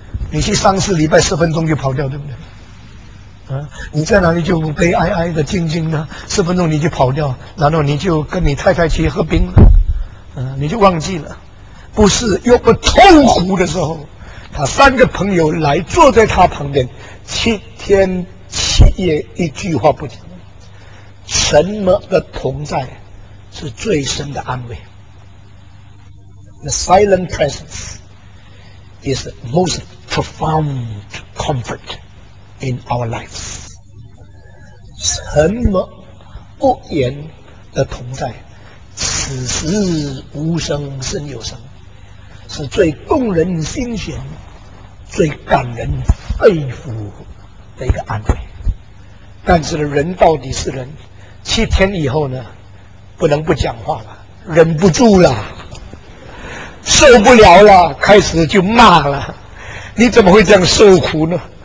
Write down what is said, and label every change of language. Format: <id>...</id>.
<zh>你去丧事礼拜十分钟就跑掉对不对？你在哪里就悲哀哀的静静的十分钟你就跑掉，然后你就跟你太太去喝冰了，你就忘记了，不是。又不痛苦的时候，他三个朋友来坐在他旁边七天七夜一句话不讲，什么的同在是最深的安慰。</zh> <en>The silent presence is the most profound comfort in our lives。</en> <zh>什么不言的同在，此时无声胜有声，是最动人心弦最感人肺腑的一个安慰。但是人到底是人，七天以后呢，不能不讲话了，忍不住了，受不了了，开始就骂了，你怎么会这样受苦呢？</zh>